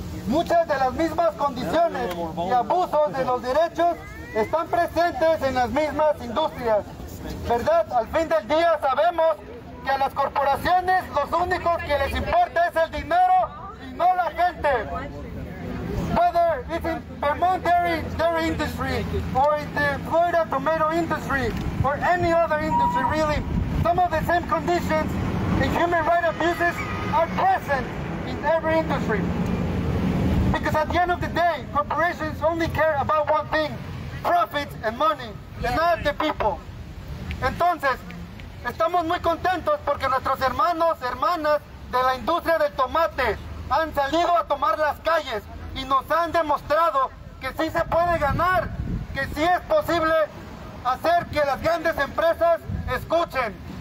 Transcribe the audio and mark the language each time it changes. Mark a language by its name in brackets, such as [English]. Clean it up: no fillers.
[Spanish] Muchas de las mismas condiciones y abusos de los derechos están presentes en las mismas industrias. ¿Verdad? Al fin del día sabemos que a las corporaciones los únicos que les importa es el dinero y no la gente. [English] Whether it's in Vermont dairy industry or in the Florida tomato industry or any other industry really, some of the same conditions in human rights abuses are present in every industry. Because at the end of the day, corporations only care about one thing, profit and money, and not the people. [Spanish] Entonces, estamos muy contentos porque nuestros hermanos, hermanas de la industria del tomate han salido a tomar las calles y nos han demostrado que sí se puede ganar, que sí es posible hacer que las grandes empresas escuchen.